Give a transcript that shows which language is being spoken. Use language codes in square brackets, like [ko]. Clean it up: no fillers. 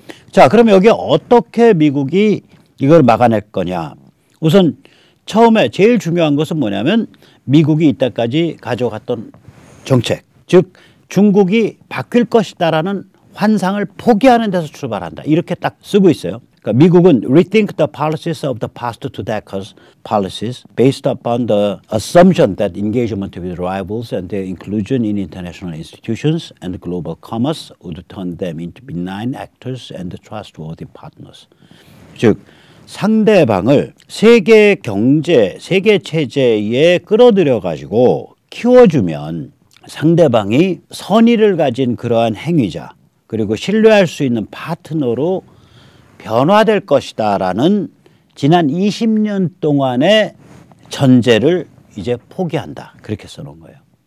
[ko] 자, 그럼 여기 어떻게 미국이 이걸 막아낼 거냐. 우선 처음에 제일 중요한 것은 뭐냐면 미국이 이때까지 가져갔던 정책, 즉 중국이 바뀔 것이다라는 환상을 포기하는 데서 출발한다. 이렇게 딱 쓰고 있어요. 그러니까 미국은 [en] rethink the policies of the past two decades policies based upon the assumption that engagement with rivals and their inclusion in international institutions and global commerce would turn them into benign actors and trustworthy partners. [ko] 즉 상대방을 세계 경제, 세계 체제에 끌어들여가지고 키워주면 상대방이 선의를 가진 그러한 행위자 그리고 신뢰할 수 있는 파트너로 변화될 것이다 라는 지난 20년 동안의 전제를 이제 포기한다. 그렇게 써놓은 거예요.